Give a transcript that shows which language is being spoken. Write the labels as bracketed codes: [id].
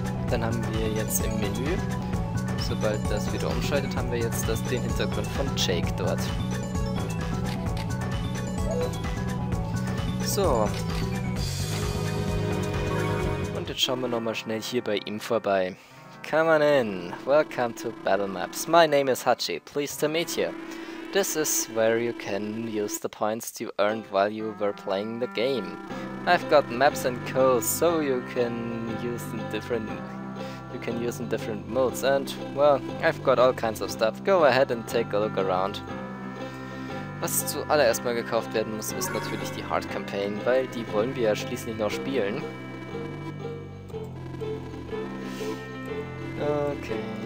[de] Dann haben wir jetzt im Menü, sobald das wieder umschaltet, haben wir jetzt den Hintergrund von Jake dort. So. Und jetzt schauen wir nochmal schnell hier bei ihm vorbei. [en] Come on in. Welcome to Battle Maps. My name is Hachi. Pleased to meet you. This is where you can use the points you earned while you were playing the game. I've got maps and codes so you can use in different modes, and well, I've got all kinds of stuff. Go ahead and take a look around. [de] Was zuallererst mal gekauft werden muss, ist natürlich die Hard Campaign, weil die wollen wir ja schließlich noch spielen. Okay.